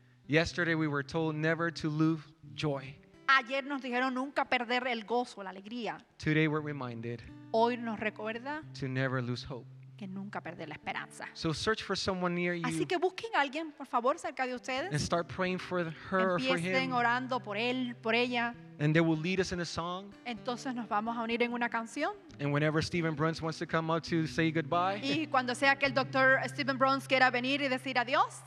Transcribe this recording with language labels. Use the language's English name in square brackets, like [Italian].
[English] Yesterday we were told never to lose joy. [Spanish] Ayer nos dijeron nunca perder el gozo, la alegría. [English] Today we're reminded. [Spanish] Hoy nos recuerda [English] to never lose hope. [Spanish] Que nunca perder la esperanza. [English] So search for someone near you. [Spanish] Así que busquen a alguien, por favor, cerca de ustedes. [English] And start praying for her or for him. [Spanish] Empiecen orando por él, por ella. [English] And they will lead us in a song. [Spanish] Entonces nos vamos a unir en una canción. [English] And whenever Stephen Bruns wants to come up to say goodbye. [Spanish] Y cuando sea que el doctor Stephen Bruns quiera venir y decir adiós.